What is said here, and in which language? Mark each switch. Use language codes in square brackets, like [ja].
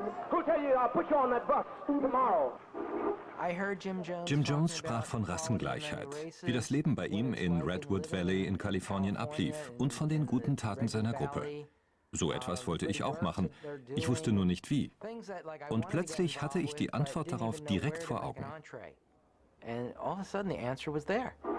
[en] Who'll tell you I'll put you on that bus tomorrow? [de] Jim Jones sprach von Rassengleichheit, wie das Leben bei ihm in Redwood Valley in Kalifornien ablief und von den guten Taten seiner Gruppe. So etwas wollte ich auch machen. Ich wusste nur nicht wie. Und plötzlich hatte ich die Antwort darauf direkt vor Augen. [en] And all of a sudden the answer was there.